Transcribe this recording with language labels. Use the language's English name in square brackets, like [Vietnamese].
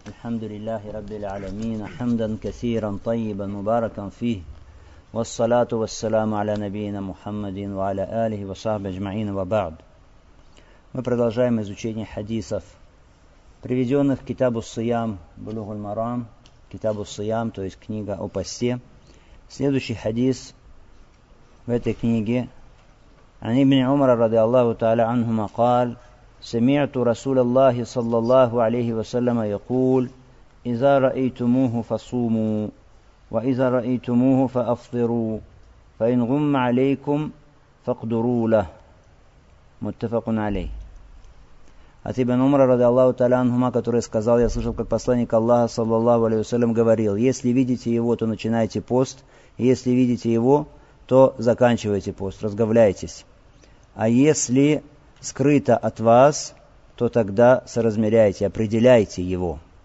[Arabic] الحمد لله رب العالمين، حمدا كثيرا طيبا مباركا فيه، والصلاة والسلام على نبينا محمد وعلى آله وصحبه أجمعين وبعد. [Russian] Мы продолжаем изучение хадисов, приведенных в Китабу Сиям, Булугу Марам, Китабу Сиям, то есть книга о посте. Следующий хадис в этой книге. [Arabic] عن ابن عمر رضي الله تعالى عنهما قال: سمعت رسول الله صلى الله عليه وسلم يقول: إذا رأيتموه فصوموا، وإذا رأيتموه فأفطروا، فإن غم عليكم فاقدروا له. متفق عليه. [Russian] От ибн Умара [Arabic] رضي الله تعالى عنهما, [Russian] который сказал: я слышал, как посланник Аллаха [Arabic] صلى الله عليه وسلم [Russian] говорил: если видите его, то начинайте пост, и если видите его, то заканчивайте пост, разговляйтесь. А если скрыто от вас, то тогда соразмеряйте, определяйте его.